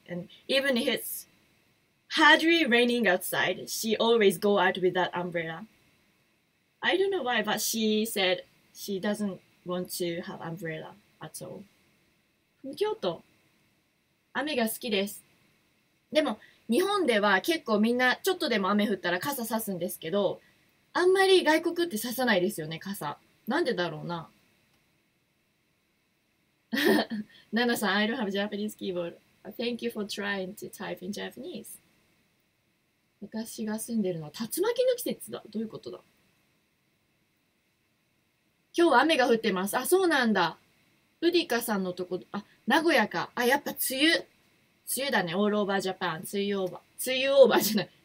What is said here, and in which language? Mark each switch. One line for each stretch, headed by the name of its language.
English: And even if it's Hardly raining outside, she always go out with that umbrella. I don't know why, but she said she doesn't want to have umbrella at all.
Japanese: 京都、雨が好きです。でも日本では結構みんなちょっとでも雨降ったら傘差すんですけど、あんまり外国って差さないですよね、傘。なんでだろうな。
English: ナナさん、 I don't have Japanese keyboard. Thank you for trying to type in Japanese.
Japanese: 私が住んでるのは竜巻の季節だ。どういうことだ。今日は雨が降ってます。あ、そうなんだ。ウディカさんのとこ、あ、名古屋か。あ、やっぱ梅雨。梅雨だね。
English: オールオーバージャパン。
Japanese: 梅雨オーバー。梅雨オーバーじゃない。